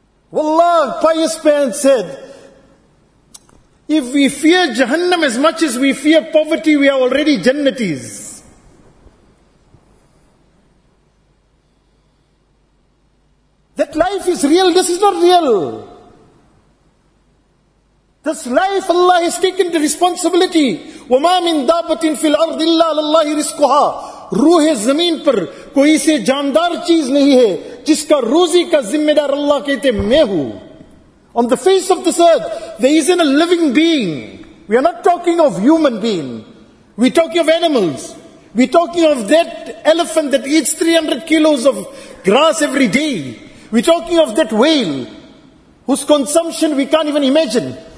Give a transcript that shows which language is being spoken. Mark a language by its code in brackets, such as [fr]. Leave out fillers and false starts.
[en] Wallah, pious man said, if we fear Jahannam as much as we fear poverty, we are already Jannatis. That life is real, this is not real. This life Allah has taken the responsibility. [ar] وَمَا مِن دَابَةٍ فِي الْأَرْضِ إِلَّا لَلَّهِ رِزْقُهَا. [ur] روح زمین پر کوئی سے جاندار چیز نہیں ہے جس کا روزی کا ذمہ دار اللہ کہتے ہیں میں ہوں. [en] On the face of this earth, there isn't a living being. We are not talking of human being. We're talking of animals. We're talking of that elephant that eats 300 kilos of grass every day. We're talking of that whale whose consumption we can't even imagine.